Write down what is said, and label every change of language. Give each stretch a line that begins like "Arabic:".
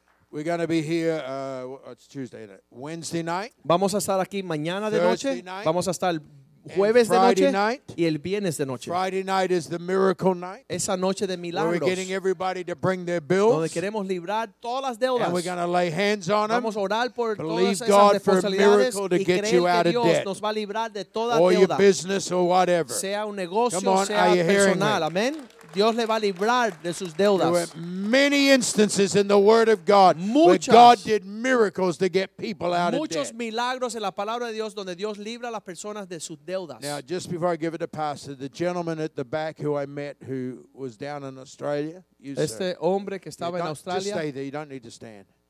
English: We're going to be here, it's Tuesday night, Wednesday night.
Spanish: Vamos a estar aquí mañana de noche.
English: Thursday night.
Spanish: Vamos a estar jueves de noche y el viernes de noche.
English: Friday night is the miracle night.
Spanish: Esa noche de milagros.
English: We're getting everybody to bring their bills.
Spanish: Donde queremos librar todas las deudas.
English: And we're going to lay hands on them.
Spanish: Vamos a orar por todas esas responsabilidades.
English: Believe God for a miracle to get you out of debt.
Spanish: Nos va a librar de toda deuda.
English: Or your business or whatever.
Spanish: Sea un negocio, sea personal. Amen. Dios le va a librar de sus deudas.
English: There were many instances in the Word of God
Spanish: muchos,
English: where God did miracles to get people out of debt.
Spanish: Muchos milagros en la palabra de Dios donde Dios libra a las personas de sus deudas.
English: Now, just before I give it to Pastor, the gentleman at the back who I met who was down in Australia. You,
Spanish: este
English: sir,
Spanish: hombre que estaba en Australia.
English: Just stay there. You don't need to stand.